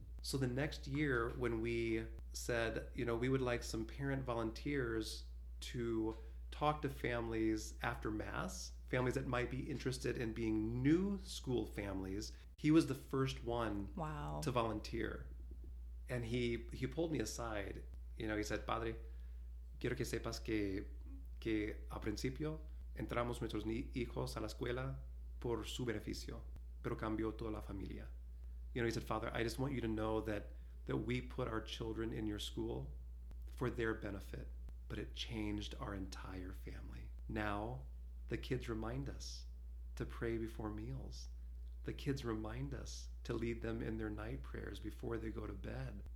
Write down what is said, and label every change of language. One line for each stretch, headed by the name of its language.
English: So the next year when we said, you know, we would like some parent volunteers to talk to families after Mass, families that might be interested in being new school families, he was the first one to volunteer. And he pulled me aside. You know, he said,
Spanish: Padre, quiero que sepas que a principio entramos nuestros hijos a la escuela por su beneficio, pero cambió toda la familia.
English: You know, he said, Father, I just want you to know that we put our children in your school for their benefit, but it changed our entire family. Now, the kids remind us to pray before meals. The kids remind us to lead them in their night prayers before they go to bed.